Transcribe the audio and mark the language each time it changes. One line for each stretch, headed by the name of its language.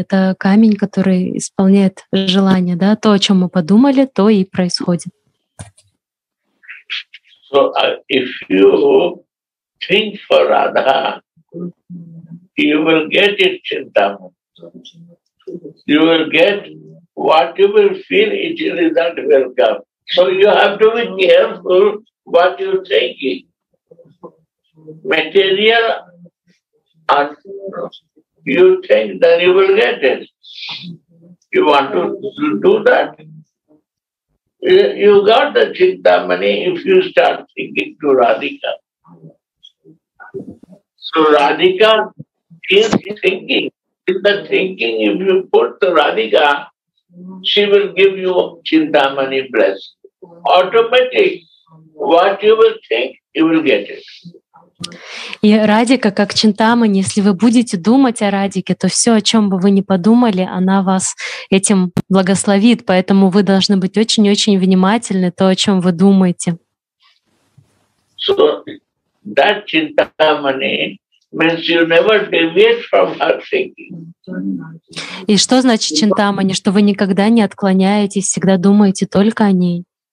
Russian: Это камень, который исполняет желание, да? То, о чем мы подумали, то и происходит.
English: So, if you think for Radha, you will get it chintamani. You will get what you will feel, it is that will come. So you have to be careful what you think. Material and you think that you will get it. You want to do that? You got the Chintamani if you start thinking to Radhika. So Radhika is thinking. In the thinking, if you put the Radhika, she will give you Chintamani blessing. Automatic, what you will think, you will get it.
Russian: И Радика, как Чинтамани, если вы будете думать о Радике, то все, о чем бы вы ни подумали, она вас этим благословит. Поэтому вы должны быть очень-очень внимательны то, о чем вы думаете.
English: So that Chintamani means you never deviate from her thinking.
Russian: И что значит Чинтамани? Что вы никогда не отклоняетесь, всегда думаете только о ней.